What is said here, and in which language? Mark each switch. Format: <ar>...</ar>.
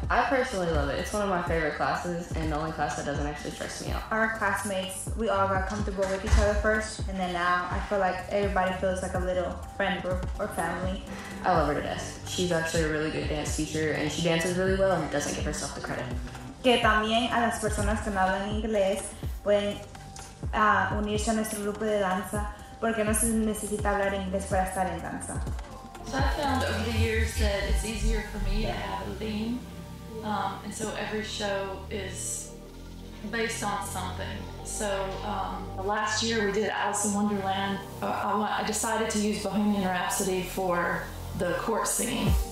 <en>I personally love it. It's one of my favorite classes and the only class that doesn't actually stress me out. Our classmates, we all got comfortable with each other first, and then now I feel like everybody feels like a little friend group or family. I love her to death. She's actually a really good dance teacher, and she dances really well and doesn't give herself the credit.</en> <es>Que también a las personas que hablan inglés pueden unirse a nuestro grupo de danza. Porque no se necesita hablar inglés para estar en danza.</es> <en>So I found over the years that it's easier for me to have a theme. And so every show is based on something. So last year we did Alice in Wonderland. I decided to use Bohemian Rhapsody for the court scene.</en>